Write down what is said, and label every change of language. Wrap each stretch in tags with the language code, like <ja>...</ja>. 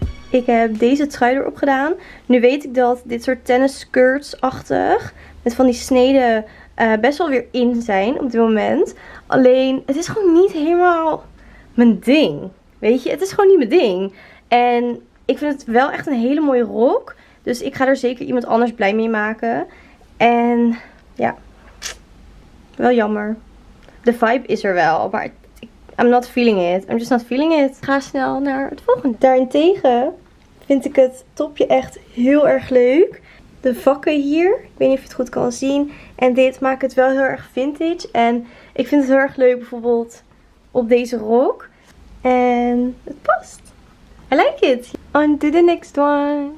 <nl>Ik heb deze trui erop gedaan. Nu weet ik dat dit soort tennis skirts-achtig met van die sneden best wel weer in zijn op dit moment. Alleen, het is gewoon niet helemaal mijn ding. Weet je, het is gewoon niet mijn ding. En ik vind het wel echt een hele mooie rok. Dus ik ga er zeker iemand anders blij mee maken. En ja, wel jammer. De vibe is er wel, maar</nl> <en>I'm not feeling it. I'm just not feeling it.</en> <nl>Ik ga snel naar het volgende. Daarentegen vind ik het topje echt heel erg leuk. De vakken hier. Ik weet niet of je het goed kan zien. En dit maakt het wel heel erg vintage. En ik vind het heel erg leuk bijvoorbeeld op deze rok. En het past.</nl> <en>I like it. On to the next one.</en>